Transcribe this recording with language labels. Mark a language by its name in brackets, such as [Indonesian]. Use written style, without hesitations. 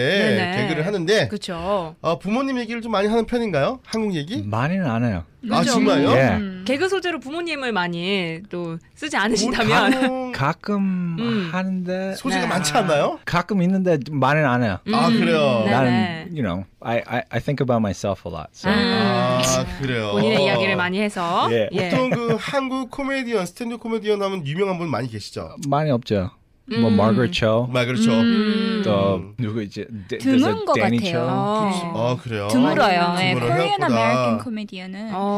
[Korean] 네네. 개그를 하는데 그쵸. 부모님 얘기를 좀 많이 하는 편인가요? 한국 얘기? 많이는 안 해요. 그죠? 아, 정말요? 예. 개그 소재로 부모님을 많이 또 쓰지 않으신다면 가끔 하는데 소재가 네. 많지 않나요? 가끔 있는데 많이는 안 해요. 아, 그래요. 나는 [English] you know, I think about myself a lot. So. [Korean] 아, 그래요. 본인의 이야기를 많이 해서 예. 보통 예. 그 한국 코미디언, 스탠드 코미디언 하면 유명한 분 많이 계시죠? 많이 없죠. 뭐 마거릿 쇼. 마거릿 쇼. 또 누구 이제 드문 것 같아요. 아, 그래요? 드물어요. 네, 코리안 아메리칸 코미디언은.